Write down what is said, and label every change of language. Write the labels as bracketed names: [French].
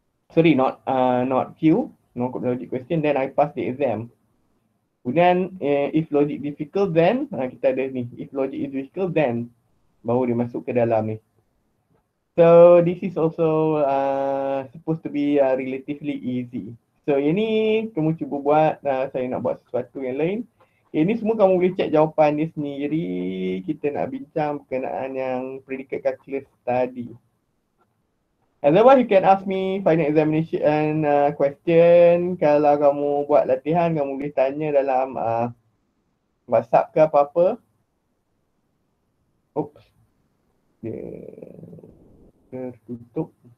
[English] Sorry, not not Q. No logic question, then I pass the exam. [Malay] Kemudian [English] if logic difficult, then [Malay] kita ada ni. [English] If logic is difficult, then [Malay] baru dia masuk ke dalam ni. [English] So this is also supposed to be relatively easy. [Malay] So ini kamu cuba buat, saya nak buat sesuatu yang lain. Ini semua kamu boleh check jawapan ni sendiri. Kita nak bincang berkenaan yang predicate calculus tadi. [English] Otherwise you can ask me final examination question. [Malay] Kalau kamu buat latihan, kamu boleh tanya dalam WhatsApp ke apa-apa. Oops. Yeah. Tutup.